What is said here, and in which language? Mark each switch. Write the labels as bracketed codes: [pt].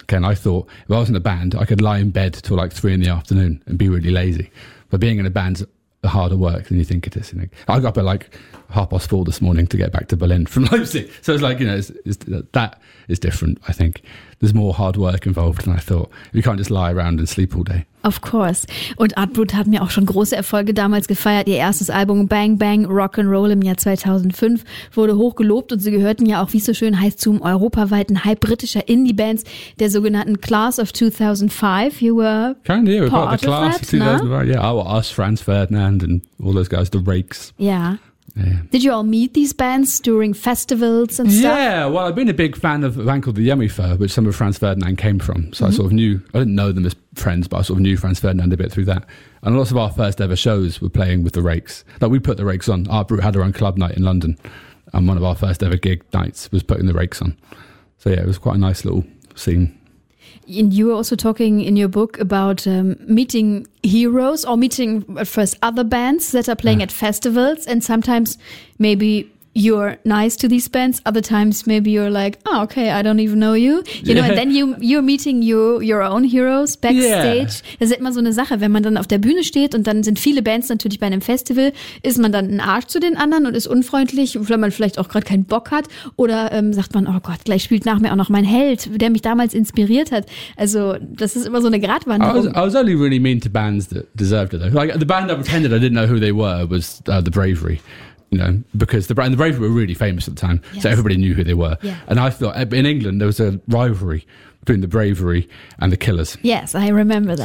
[en] Okay, and I thought if I was in a band, I could lie in bed till like 3 p.m. and be really lazy. But being in a band's harder work than you think it is. You know? I got up at like 4:30 this morning to get back to Berlin from Leipzig. So it's like, you know, that is different, I think. There's more hard work involved than I thought. You can't just lie around and sleep all day. Of course. [de] Und Art Brut hat mir auch schon große Erfolge damals gefeiert. Ihr erstes Album Bang Bang Rock and Roll im Jahr 2005 wurde hoch gelobt, und sie gehörten ja auch, wie es so schön heißt, zum europaweiten Hype britischer Indie-Bands, der sogenannten Class of 2005. [en] You were kind of, yeah, part, part of the Class of 2005. No? Yeah, us, Franz Ferdinand and all those guys, the Rakes. Yeah. Yeah. Did you all meet these bands during festivals and stuff? Yeah, well, I've been a big fan of a band called The Yummy Fur, which some of Franz Ferdinand came from. So mm-hmm. I didn't know them as friends, but I sort of knew Franz Ferdinand a bit through that. And lots of our first ever shows were playing with The Rakes. Like, we put The Rakes on. Art Brut had our own club night in London, and one of our first ever gig nights was putting The Rakes on. So yeah, it was quite a nice little scene. And you were also talking in your book about meeting heroes, or meeting at first other bands that are playing, yeah, at festivals. And sometimes maybe you're nice to these bands. Other times maybe you're like, oh, okay, I don't even know you. You know, and then you're meeting your own heroes backstage. Yeah. [de] Das ist immer so eine Sache, wenn man dann auf der Bühne steht und dann sind viele Bands natürlich bei einem Festival, ist man dann ein Arsch zu den anderen und ist unfreundlich, weil man vielleicht auch gerade keinen Bock hat. Oder sagt man, oh Gott, gleich spielt nach mir auch noch mein Held, der mich damals inspiriert hat. Also das ist immer so eine Gratwanderung. [en] I was only really mean to bands that deserved it, though. Like, the band I pretended I didn't know who they were was The Bravery. You know, because the Bravery were really famous at the time, yes, so everybody knew who they were. Yeah. And I thought, in England, there was a rivalry between the Bravery and the Killers. Yes, I remember that.